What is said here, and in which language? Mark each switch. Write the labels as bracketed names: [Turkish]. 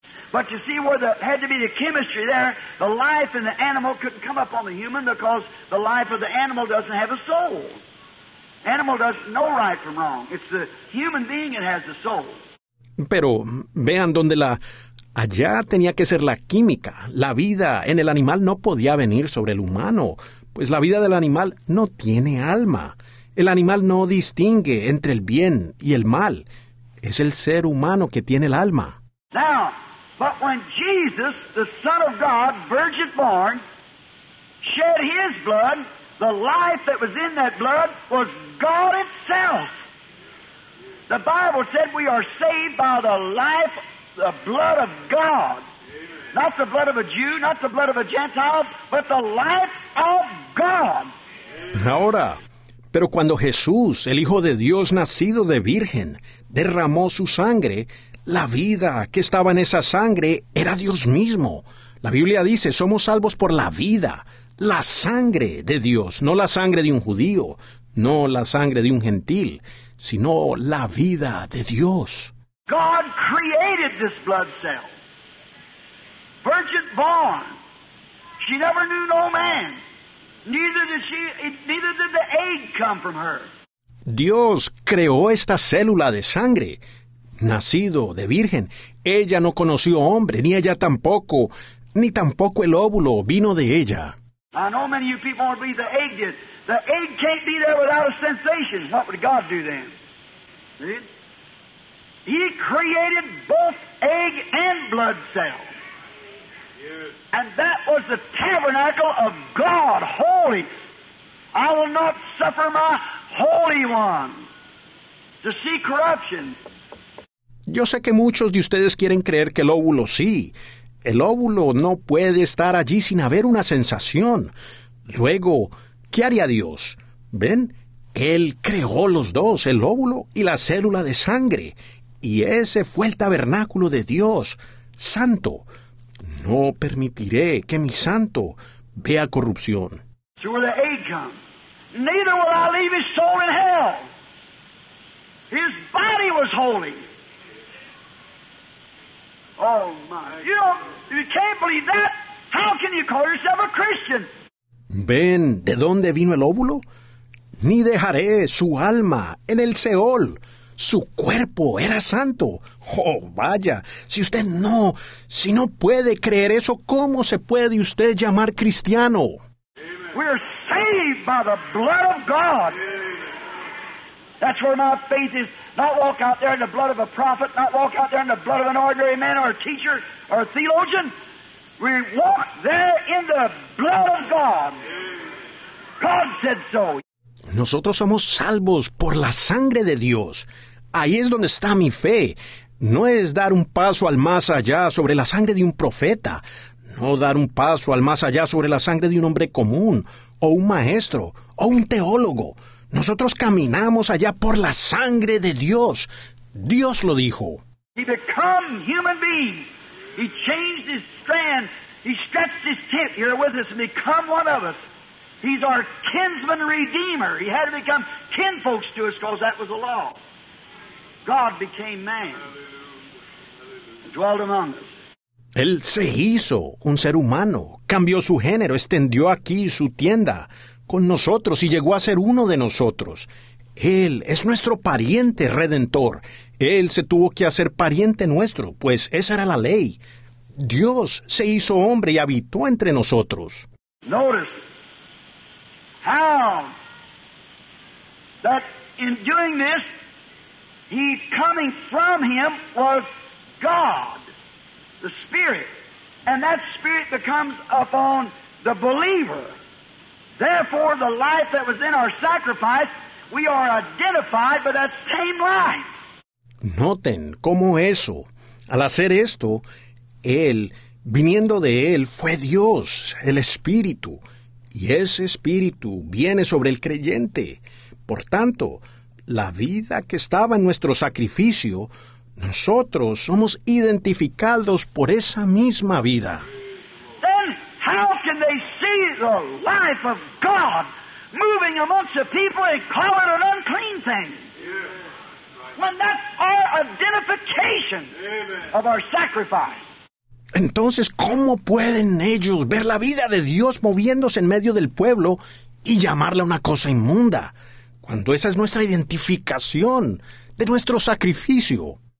[English] But you see where there had to be the chemistry there, the life in the animal couldn't come up on the human because the life of the animal doesn't have a soul. Animal doesn't know right from wrong. It's the human being that has the soul. [Spanish] Pero vean donde allá tenía que ser la química. La vida en el animal no podía venir sobre el humano, pues la vida del animal no tiene alma. El animal no distingue entre el bien y el mal. Es el ser humano que tiene el alma. [English] Now, but when Jesus, the Son of God, virgin born, shed his blood, the life that was in that blood was God itself. The Bible said we are saved by the life, the blood of God. Not the blood of a Jew, not the blood of a Gentile, but the life of God. [Spanish] Ahora, pero cuando Jesús, el Hijo de Dios nacido de virgen, derramó su sangre, la vida que estaba en esa sangre era Dios mismo. La Biblia dice, somos salvos por la vida, la sangre de Dios, no la sangre de un judío, no la sangre de un gentil, sino la vida de Dios. [English] God created this blood cell. Virgin born. She never knew no man. Neither did the egg come from her. [Spanish] Dios creó esta célula de sangre, nacido de virgen. Ella no conoció hombre, ni ella tampoco, ni tampoco el óvulo vino de ella. [English] I know many of you people want to believe the egg did. The egg can't be there without a sensation. What would God do then? See? He created both egg and blood cells. And that was the tabernacle of God, holy. I will not suffer my Holy One to see corruption. [Spanish] Yo sé que muchos de ustedes quieren creer que el óvulo sí. El óvulo no puede estar allí sin haber una sensación. Luego, ¿qué haría Dios? ¿Ven? Él creó los dos, el óvulo y la célula de sangre. Y ese fue el tabernáculo de Dios, santo. No permitiré que mi santo vea corrupción. [English] So where the egg comes, neither will I leave his soul in hell. His body was holy. Oh my! You don't, you can't believe that. How can you call yourself a Christian? [Spanish] Ven, ¿de dónde vino el óvulo? Ni dejaré su alma en el Seol. Su cuerpo era santo. Oh, vaya, si no puede creer eso, ¿cómo se puede usted llamar cristiano? [English] We are saved by the blood of God. That's where my faith is. Not walk out there in the blood of a prophet, not walk out there in the blood of an ordinary man or a teacher or a theologian. We walk there in the blood of God. God said so. [Spanish] Nosotros somos salvos por la sangre de Dios. Ahí es donde está mi fe. No es dar un paso al más allá sobre la sangre de un profeta. No dar un paso al más allá sobre la sangre de un hombre común, o un maestro, o un teólogo. Nosotros caminamos allá por la sangre de Dios. Dios lo dijo. [English] He became human being. He changed his strand. He stretched his tent here with us and become one of us. He's our kinsman redeemer. He had to become kinfolks to us because that was the law. God became man. And dwelt among us. [Spanish] Él se hizo un ser humano, cambió su género, extendió aquí su tienda con nosotros y llegó a ser uno de nosotros. Él es nuestro pariente redentor. Él se tuvo que hacer pariente nuestro, pues esa era la ley. Dios se hizo hombre y habitó entre nosotros. [English] Notice how that in doing this, he coming from him was God. The Spirit, and that Spirit becomes upon the believer. Therefore, the life that was in our sacrifice, we are identified by that same life. [Spanish] Noten cómo eso, al hacer esto, Él, viniendo de Él, fue Dios, el Espíritu, y ese Espíritu viene sobre el creyente. Por tanto, la vida que estaba en nuestro sacrificio, nosotros somos identificados por esa misma vida. [English] Then how can they see the life of God moving amongst the people and call it an unclean thing? When that's our identification of our sacrifice. [Spanish] Entonces, ¿cómo pueden ellos ver la vida de Dios moviéndose en medio del pueblo y llamarla una cosa inmunda, cuando esa es nuestra identificación de nuestro sacrificio?